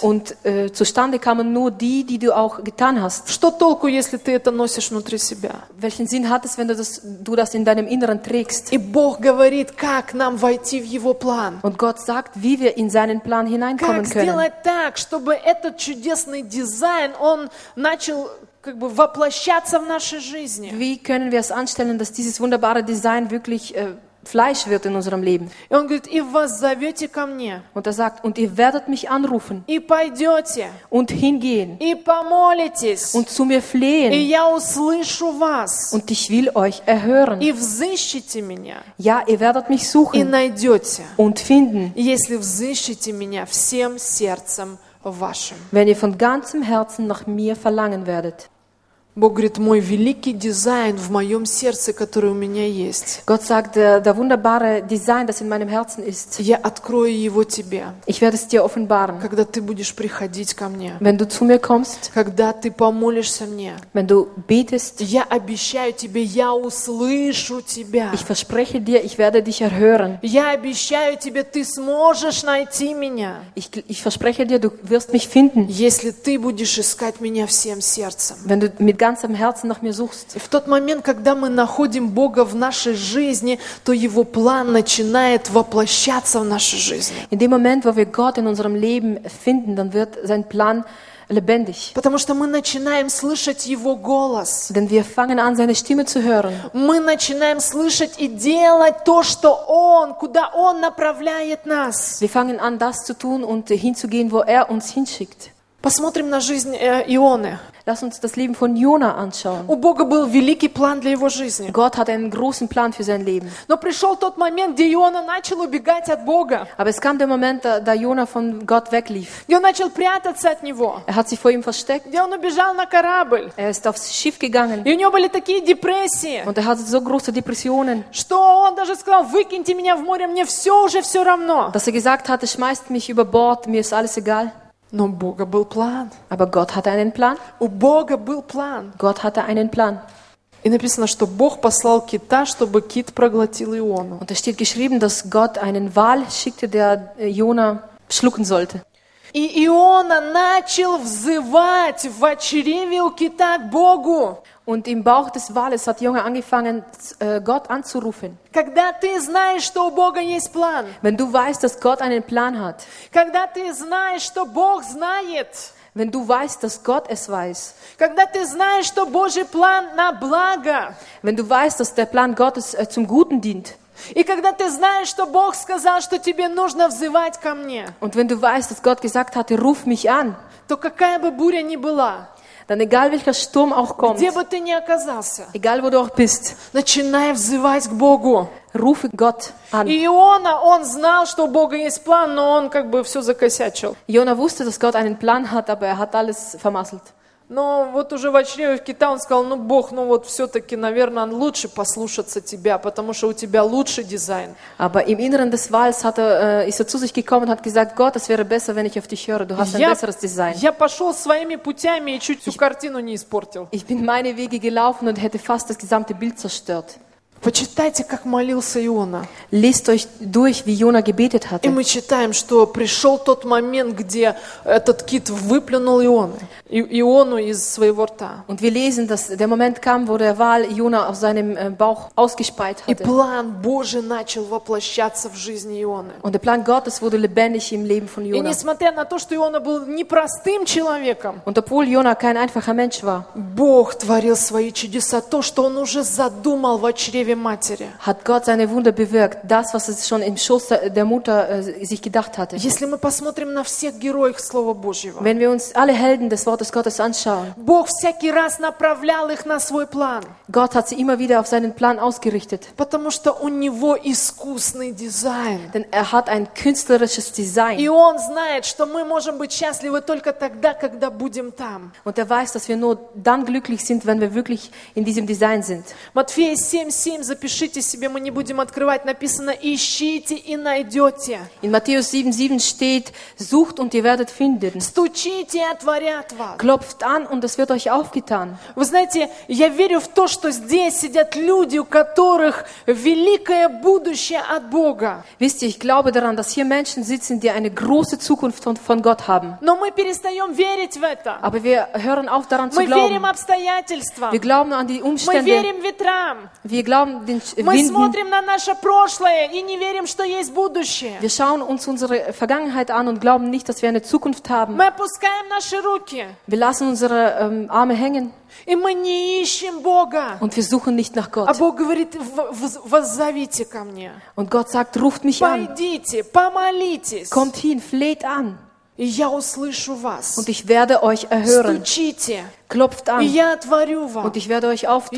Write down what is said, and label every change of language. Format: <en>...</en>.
<de>Und zustande kamen nur die, die du auch getan hast.</de> <ru>Что толку, если ты это носишь внутри себя?</ru> <de>Welchen Sinn hat es, wenn du das in deinem Inneren trägst?</de> <ru>И Бог говорит, как нам войти в Его план.</ru> <de>Und Gott sagt, wie wir in seinen Plan hineinkommen können.</de> <ru>Как сделать так, чтобы этот чудесный дизайн, он начал как бы воплощаться в нашей жизни?</ru> <de>Wie können wir es anstellen, dass dieses wunderbare Design wirklich Fleisch wird in unserem Leben. Und er sagt, ihr was</de> <ru>зовете ко мне.</ru> <de>Und er sagt, und ihr werdet mich anrufen.</de> <ru>И пойдете.</ru> <de>Und hingehen.</de> <ru>И помолитесь.</ru> <de>Und zu mir flehen.</de> <ru>И я услышу вас.</ru> <de>Und ich will euch erhören.</de> <ru>И взыщите меня.</ru> <de>Ja, ihr werdet mich suchen.</de> <ru>И найдете.</ru> <de>Und finden.</de> <ru>Если взыщите меня всем сердцем вашим.</ru> <de>Wenn ihr von ganzem Herzen nach mir verlangen werdet.</de> <ru>Бог говорит, мой великий дизайн в моем сердце, который у меня есть.</ru> <de>Gott sagt, der wunderbare Design, das in meinem Herzen ist.</de> <ru>Я открою его тебе.</ru> <de>Ich werde es dir offenbaren.</de> <ru>Когда ты будешь приходить ко мне.</ru> <de>Wenn du zu mir kommst.</de> <ru>Когда ты помолишься мне.</ru> <de>Wenn du betest.</de> <ru>Я обещаю тебе, я услышу тебя.</ru> <de>Ich verspreche dir, ich werde dich erhören.</de> <ru>Я обещаю тебе, ты сможешь найти меня.</ru> <de>Ich verspreche dir, du wirst mich finden.</de> <ru>Если ты будешь искать меня всем сердцем.</ru> <de>Wenn du mit ganzem Herzen nach mir suchst.</de> <ru>В тот момент, когда мы находим Бога в нашей жизни, то Его план начинает воплощаться в нашей жизни.</ru> <de>In dem Moment, wo wir Gott in unserem Leben finden, dann wird sein Plan lebendig.</de> <ru>Потому что мы начинаем слышать Его голос.</ru> <de>Denn wir fangen an, seine Stimme zu hören.</de> <ru>Мы начинаем слышать и делать то, что Он, куда Он направляет нас.</ru> <de>Wir fangen an, das zu tun und hinzugehen, wo Er uns hinschickt.</de> <ru>Посмотрим на жизнь Ионы.</ru> <de>Lass uns das Leben von Jona anschauen.</de> <ru>У Бога был великий план для его жизни.</ru> <de>Gott hat einen großen Plan für sein Leben.</de> <ru>Но пришел тот момент, где Иона начал убегать от Бога.</ru> <de>Aber es kam der Moment, da Jona von Gott weglief.</de> <ru>И он начал прятаться от него.</ru> <de>Er hat sich vor ihm versteckt.</de> <ru>И он убежал на корабль.</ru> <de>Er ist aufs Schiff gegangen.</de> <ru>И у него были такие депрессии.</ru> <de>Und er hatte so große Depressionen.</de> <ru>Что он даже сказал, выкиньте меня в море, мне все равно.</ru> <de>Dass er gesagt hatte, schmeißt mich über Bord, mir ist alles egal.</de> <ru>Но у Бога был план.</ru> <de>Aber Gott hatte einen Plan.</de> <ru>У Бога был план.</ru> <de>Gott hatte einen Plan.</de> <ru>И написано, что Бог послал кита, чтобы кит проглотил Иону.</ru> <de>Und es steht geschrieben, dass Gott einen Wal schickte, der Jona schlucken sollte.</de> <ru>И Иона начал взывать в чреве у кита к Богу.</ru> <de>Und im Bauch des Wales hat Jona angefangen, Gott anzurufen.</de> <ru>Когда ты знаешь, что у Бога есть план.</ru> <de>Wenn du weißt, dass Gott einen Plan hat.</de> <ru>Когда ты знаешь, что Бог знает.</ru> <de>Wenn du weißt, dass Gott es weiß.</de> <ru>Когда ты знаешь, что Божий план на благо.</ru> <de>Wenn du weißt, dass der Plan Gottes zum Guten dient.</de> <ru>И когда ты знаешь, что Бог сказал, что тебе нужно взывать ко мне.</ru> <de>Und wenn du weißt, dass Gott gesagt hat, ruf mich an.</de> <ru>То какая бы буря ни была.</ru> <de>Dann egal welcher Sturm auch kommt,</de> <ru>где бы ты ни оказался,</ru> <de>egal wo du auch bist,</de> <ru>начинай взывать к Богу.</ru> <de>Rufe Gott an.</de> <ru>Иона, он знал, что у Бога есть план, но он как бы все закосячил.</ru> <de>Иона wusste, dass Gott einen Plan hat, aber er hat alles vermasselt.</de> <ru>Но вот уже в чреве кита он сказал, ну Бог, ну вот все-таки, наверное, лучше послушаться тебя, потому что у тебя лучший дизайн.</ru> <de>Aber im Inneren des Wals hat er, ist er zu sich gekommen und hat gesagt, Gott, es wäre besser, wenn ich auf dich höre, du hast ein besseres Design.</de> <ru>Я пошел своими путями и чуть всю картину не испортил.</ru> <de>Ich bin meine Wege gelaufen und hätte fast das gesamte Bild zerstört.</de> <ru>Почитайте, как молился Иона.</ru> <de>Lest euch durch, wie Jona gebetet hatte.</de> <ru>И мы читаем, что пришел тот момент, где этот кит выплюнул Иону из своего рта.</ru> <de>Und wir lesen, dass der Moment kam, wo der Wal Jona auf seinem Bauch ausgespeit hatte.</de> <ru>И план Божий начал воплощаться в жизни Ионы.</ru> <de>Und der Plan Gottes wurde lebendig im Leben von Jona.</de> <ru>И несмотря на то, что Иона был непростым человеком.</ru> <de>Und obwohl Jona kein einfacher Mensch war.</de> <ru>Бог творил свои чудеса, то, что он уже задумал в чреве.</ru> <de>Hat Gott seine Wunder bewirkt, das, was es schon im Schoß der Mutter sich gedacht hatte.</de> <ru>Если мы посмотрим на всех героев Слова Божьего,</ru> <de>wenn wir uns alle Helden des Wortes Gottes anschauen,</de> <ru>Бог всякий раз направлял их на свой план.</ru> <de>Gott hat sie immer wieder auf seinen Plan ausgerichtet.</de> <ru>Потому что у него искусный дизайн.</ru> <de>Denn er hat ein künstlerisches Design.</de> <ru>И он знает, что мы можем быть счастливы только тогда, когда будем там.</ru> <de>Und er weiß, dass wir nur dann glücklich sind, wenn wir wirklich in diesem Design sind.</de> <ru>Матфея 7:7 7, запишите себе, мы не будем открывать, написано: ищите и найдете.</ru> <de>In Matthäus 7:7 steht: Sucht und ihr werdet finden.</de> <ru>Стучите, отворят вам.</ru> <de>Klopft an und es wird euch aufgetan.</de> <ru>Вы знаете, я верю в то, что здесь сидят люди, у которых великое будущее от Бога.</ru> <de>Wisst ihr, ich glaube daran, dass hier Menschen sitzen, die eine große Zukunft von Gott haben.</de> <ru>Но мы перестаем верить в это.</ru> <de>Aber wir hören auf daran</de> <ru>мы</ru> <de>zu glauben.</de> <ru>Мы верим обстоятельствам.</ru> <de>Wir glauben an die Umstände.</de> <ru>Мы верим ветрам.</ru> <de>Wir glauben den Winden.</de> <ru>Мы смотрим на наше прошлое и не верим, что есть будущее.</ru> <de>Wir schauen uns unsere Vergangenheit an und glauben nicht, dass wir eine Zukunft haben.</de> <ru>Мы опускаем наши руки.</ru> <de>Wir lassen unsere Arme hängen.</de> <ru>И мы не ищем Бога.</ru> <de>Und wir suchen nicht nach Gott.</de> <ru>А Бог говорит: «Воззовите ко мне».</ru> <de>Und Gott sagt: «Ruft mich an».</de> <ru>Пойдите, помолитесь.</ru> <de>Kommt hin, fleht an.</de> <ru>И я услышу вас.</ru> <de>Und ich werde euch erhören.</de> <ru>Стучите.</ru> <de>Klopft an.</de> <ru>И я отворю вам.</ru> <de>Und ich werde euch auftun.</de>